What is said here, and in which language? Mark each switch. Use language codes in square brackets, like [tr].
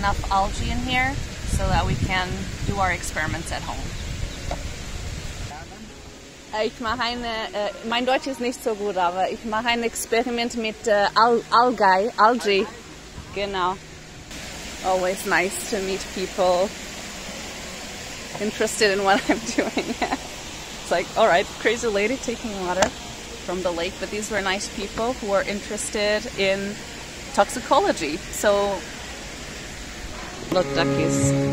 [en] Algae in here so that we can do our experiments at home. [de] Ich mache eine, mein Deutsch ist nicht so gut, aber ich mache ein Experiment mit Algae. Genau. [en] Always nice to meet people interested in what I'm doing. It's like, all right, crazy lady taking water from the lake, but these were nice people who are interested in toxicology. So the duckies.